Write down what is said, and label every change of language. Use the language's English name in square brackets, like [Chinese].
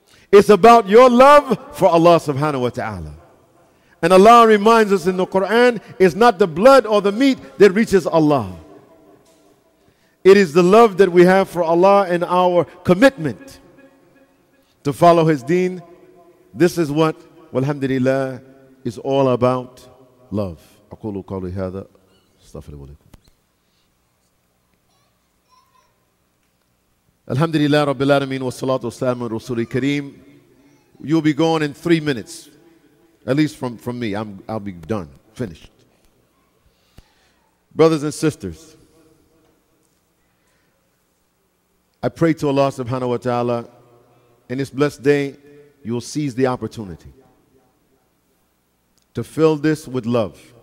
[English] It's about your love for Allah subhanahu wa ta'ala. And Allah reminds us in the Quran, it's not the blood or the meat that reaches Allah. It is the love that we have for Allah and our commitment to follow His deen. This is what, alhamdulillah, is all about love. [Arabic] أقول قولي هذا استغفر الله لكم الحمد لله رب العالمين والصلاة والسلام على رسول الكريم. [English] You'll be gone in 3 minutes, at least from me. I'll be done, finished. Brothers and sisters, I pray to Allah subhanahu wa ta'ala, in this blessed day, you'll seize the opportunity to fill this with love.